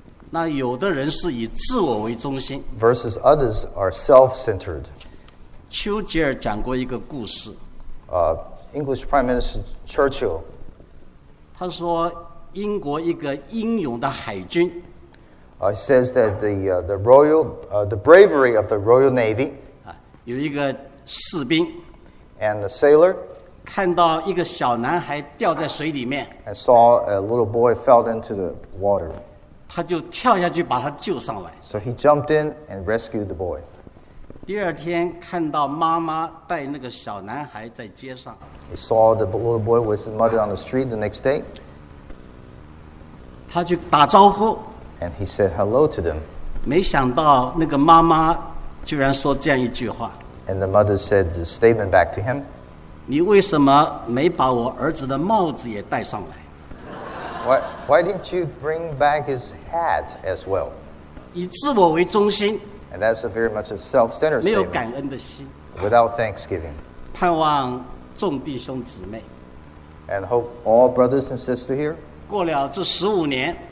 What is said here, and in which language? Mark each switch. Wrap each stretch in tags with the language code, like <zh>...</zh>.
<zh>那有的人是以自我为中心。</zh> <en>Versus others are self-centered.</en> <zh>丘吉尔讲过一个故事。</zh> <en>English Prime Minister Churchill.</en> <zh>他说英国一个英勇的海军。</zh> <en>Says that the bravery of the Royal Navy.</en> <zh>有一个士兵</zh> <en>and the sailor</en> <zh>看到一个小男孩掉在水里面</zh> <en>and saw a little boy fell into the water</en> <zh>他就跳下去把他救上来</zh> <en>so he jumped in and rescued the boy</en> <zh>第二天看到妈妈带那个小男孩在街上。</zh> <en>He saw the little boy with his mother on the street the next day.</en> <zh>他就打招呼。</zh> <en>And he said hello to them.</en> <zh>没想到那个妈妈居然说这样一句话。</zh> <en>And the mother said the statement back to him.</en> <zh>你为什么没把我儿子的帽子也带上来？</zh> <en>Why didn't you bring back his hat as well?</en> <zh>以自我为中心。</zh> <en>And that's a very much a self-centered statement.</en> <zh>没有感恩的心。</zh> <en>Without thanksgiving.</en> <zh>盼望众弟兄姊妹。</zh> <en>And hope all brothers and sisters here.</en> <zh>过了这十五年。</zh>